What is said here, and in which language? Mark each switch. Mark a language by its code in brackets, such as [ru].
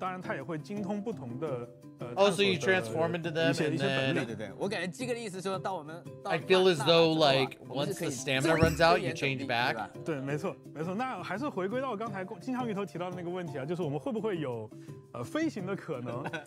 [zh] 这样的一个机制，可以让旅行者在纳塔的领域区域内，去通过附身的这样一个机制去获得这些龙的操作权。那不同的龙当然它也会精通不同的。 [en] So you transform into them and then. [zh] 对对对，我感觉这个意思说到我们。I [en] feel as though like once the stamina runs out, you change back. [zh] 对，没错没错。那还是回归到刚才金枪鱼头提到的那个问题啊，就是我们会不会有飞行的可能？